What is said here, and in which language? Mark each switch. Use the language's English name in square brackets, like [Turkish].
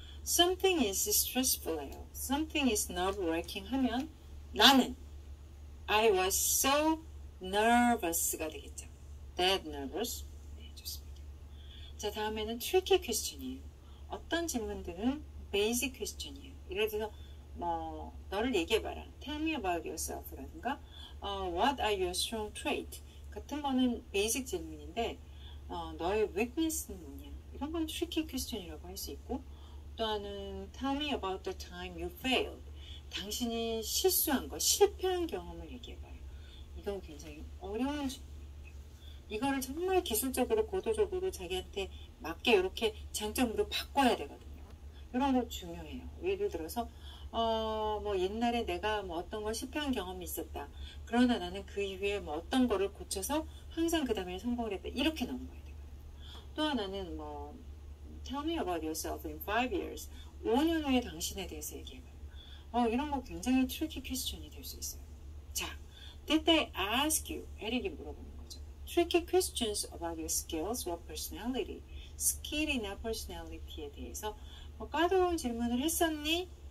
[English] Something is stressful해요. Something is nerve-wracking [Korean] 하면 나는 [English] I was so nervous가 되겠죠. That nervous. [Korean] 네, 좋습니다. 자, 다음에는 tricky question이에요. 어떤 질문들은 basic question이에요. 예를 들어 뭐 너를 얘기해봐라. [English] Tell me about yourself라든가 What are your strong traits? [Korean] 같은 거는 basic 질문인데 너의 weakness는 뭐냐? 이런 건 [English] tricky question이라고 [Korean] 할 수 있고 또는 [English] tell me about the time you failed. [Korean] 당신이 실수한 거, 실패한 경험을 얘기해봐요. 이건 굉장히 어려운 질문이에요. 이거를 정말 기술적으로, 고도적으로 자기한테 맞게 이렇게 장점으로 바꿔야 되거든요. 이런 거 중요해요. 예를 들어서 뭐 옛날에 내가 뭐 어떤 걸 실패한 경험이 있었다. 그러나 나는 그 이후에 뭐 어떤 거를 고쳐서 항상 그 다음에 성공을 했다. 이렇게 넘어가야 되거든요. [English] 또 하나는 뭐 Tell me about yourself in 5 years. [Korean] 5년 후에 당신에 대해서 얘기해봐요. 이런 거 굉장히 tricky question이 될 수 있어요. 자, [English] Did they ask you? [Korean] 에릭이 물어보는 거죠. [English] Tricky questions about your skills or personality. [Korean] Skill이나 personality에 대해서 뭐 까다로운 질문을 했었니?